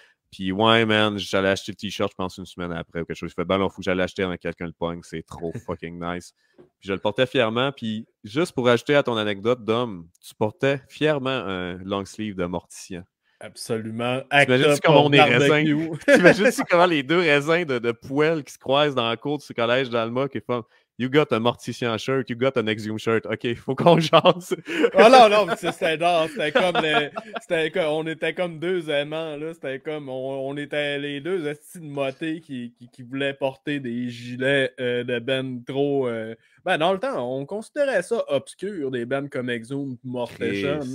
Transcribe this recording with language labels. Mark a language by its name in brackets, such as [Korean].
[French] Puis, ouais, man, j'allais acheter le t-shirt, je pense, une semaine après ou quelque chose. Je fais, ben, là, faut que j'allais acheter avec quelqu'un le punk, c'est trop [English] fucking nice. [French] Puis, je le portais fièrement. Puis, juste pour ajouter à ton anecdote, Dom, tu portais fièrement un long sleeve de mortician. Absolument. T'imagines-tu comment on est raisins? T'imagines-tu comment les deux raisins de poêle qui se croisent dans la cour du collège d'Alma qui font. [English] You got a mortician shirt, you got an Exhumed shirt. [French] OK, faut qu'on jase. Oh non, non, c'était dans, c'était comme les, c'était comme, on était comme deux aimants, là. C'était comme, on était les deux estis de motés qui voulaient porter des gilets de Ben trop. Ben, dans le temps, on considérait ça obscur, des bands comme Exhumed, Mortician.